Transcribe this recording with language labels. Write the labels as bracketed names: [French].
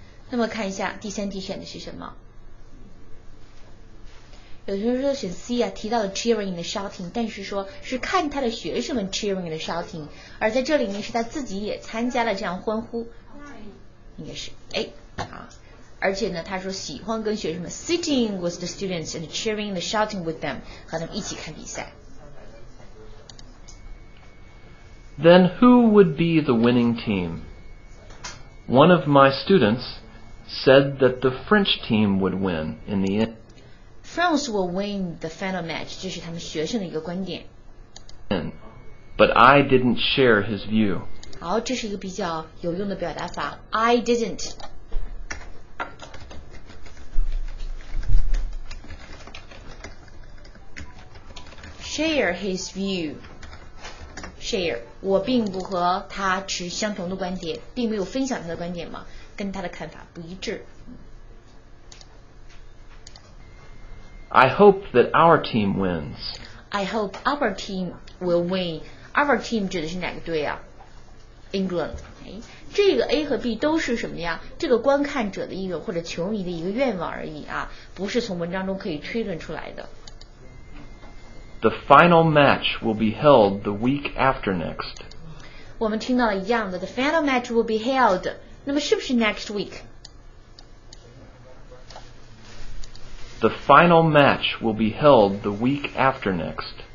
[Chinese] 那么看一下第三题选的是什么有些人说选 C 啊提到了 [English] cheering and shouting [Chinese] 但是说是看他的学生们 cheering and shouting 而在这里面是他自己也参加了这样欢呼应该是 A 啊，而且呢，他说喜欢跟学生们 [English] sitting with the students and cheering and shouting with them [Chinese] 和他们一起看比赛。 [English] Then who would be the winning team? One of my students said that the French team would win in the end. France will win the final match. [Chinese] 这是他们学生的一个观点。 [English] But I didn't share his view. [Chinese] 好，这是一个比较有用的表达法。 [English] I didn't. Share his view. Share. [Chinese] 我并不和他持相同的观点，并没有分享他的观点嘛，跟他的看法不一致。 [English] I hope that our team wins. I hope our team will win. Our team [Chinese] 指的是哪个队啊 [English] ？England、哎。 [Chinese] 这个 A 和 B 都是什么呀？这个观看者的一个或者球迷的一个愿望而已啊，不是从文章中可以推论出来的。 [English] The final match will be held the week after next。 [Chinese] 我们听到了一样的 [English] ，the final match will be held。 [Chinese] 那么是不是 [English] next week？ The final match will be held the week after next。